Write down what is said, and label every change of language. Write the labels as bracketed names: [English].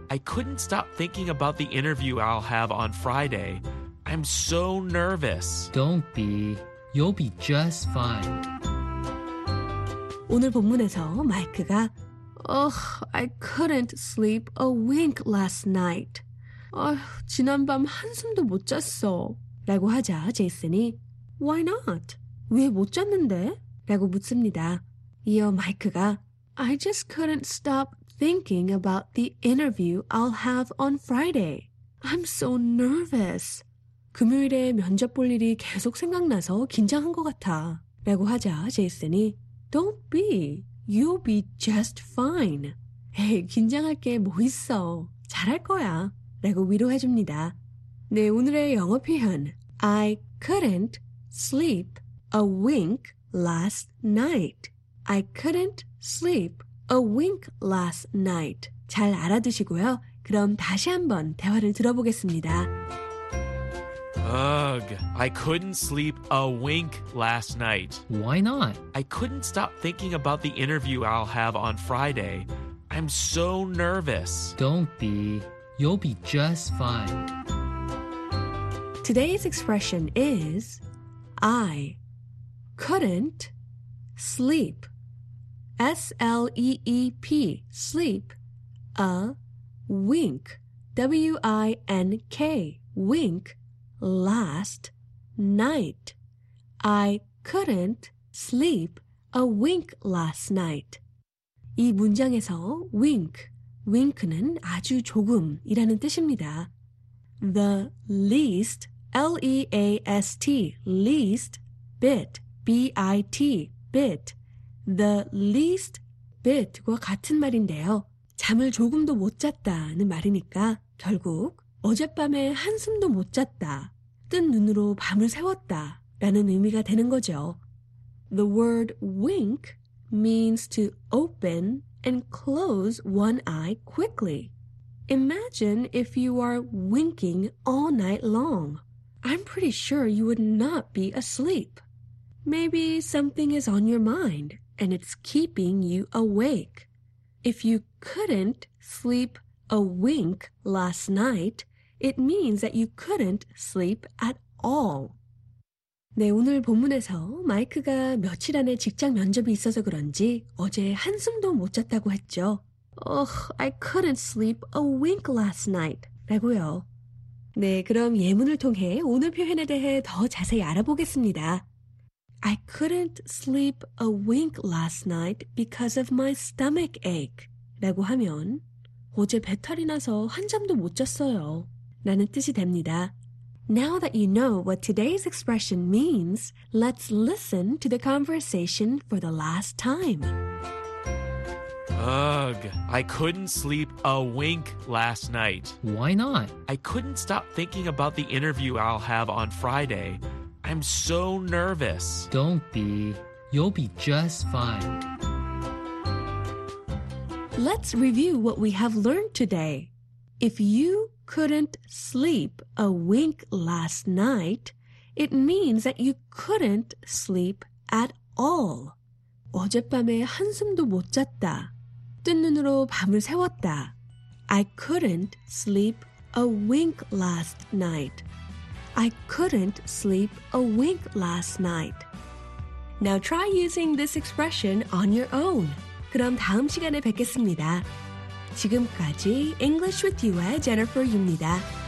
[English] I couldn't stop thinking about the interview I'll have on Friday. I'm so nervous. Don't be. You'll be just fine. [Korean] 오늘 본문에서 마이크가 [English] Ugh, I couldn't sleep a wink last night. [Korean] 지난밤 한숨도 못 잤어. 라고 하자 제이슨이 [English] Why not? [Korean] 왜 못 잤는데? 라고 묻습니다. 이어 마이크가 [English] I just couldn't stop thinking about the interview I'll have on Friday. I'm so nervous. [Korean] 금요일에 면접 볼 일이 계속 생각나서 긴장한 것 같아. 라고 하자 제이슨이 [English] Don't be. You'll be just fine. [Korean] Hey, 긴장할 게 뭐 있어. 잘할 거야. 라고 위로해 줍니다. 네, 오늘의 영어 표현. [English] I couldn't sleep a wink last night. I couldn't sleep a wink last night. [Korean] 잘 알아두시고요. 그럼 다시 한번 대화를 들어보겠습니다. [English] Ugh, I couldn't sleep a wink last night. Why not? I couldn't stop thinking about the interview I'll have on Friday. I'm so nervous. Don't be. You'll be just fine. Today's expression is I couldn't sleep. S-L-E-E-P. Sleep. A wink. W-I-N-K. Wink. Last night, I couldn't sleep a wink last night. [Korean] 이 문장에서 wink, wink는 아주 조금이라는 뜻입니다. [English] The least, L-E-A-S-T, least bit, B-I-T, bit. The least bit과 [Korean] 같은 말인데요. 잠을 조금도 못 잤다는 말이니까 결국 어젯밤에 한숨도 못 잤다. 뜬 눈으로 밤을 새웠다 라는 의미가 되는 거죠. [English] The word wink means to open and close one eye quickly. Imagine if you are winking all night long. I'm pretty sure you would not be asleep. Maybe something is on your mind and it's keeping you awake. If you couldn't sleep a wink last night, it means that you couldn't sleep at all. [Korean] 네, 오늘 본문에서 마이크가 며칠 안에 직장 면접이 있어서 그런지 어제 한숨도 못 잤다고 했죠. [English] Ugh, I couldn't sleep a wink last night. [Korean] 라고요. 네, 그럼 예문을 통해 오늘 표현에 대해 더 자세히 알아보겠습니다. [English] I couldn't sleep a wink last night because of my stomach ache. [Korean] 라고 하면 어제 배탈이 나서 한 잠도 못 잤어요. 라는 뜻이 됩니다. [English] Now that you know what today's expression means, let's listen to the conversation for the last time. Ugh, I couldn't sleep a wink last night. Why not? I couldn't stop thinking about the interview I'll have on Friday. I'm so nervous. Don't be. You'll be just fine. Let's review what we have learned today. If you couldn't sleep a wink last night, it means that you couldn't sleep at all. [Korean] 어젯밤에 한숨도 못 잤다. 뜬 눈으로 밤을 새웠다. [English] I couldn't sleep a wink last night. I couldn't sleep a wink last night. Now try using this expression on your own. [Korean] 그럼 다음 시간에 뵙겠습니다. 지금까지 English with You의 Jennifer입니다.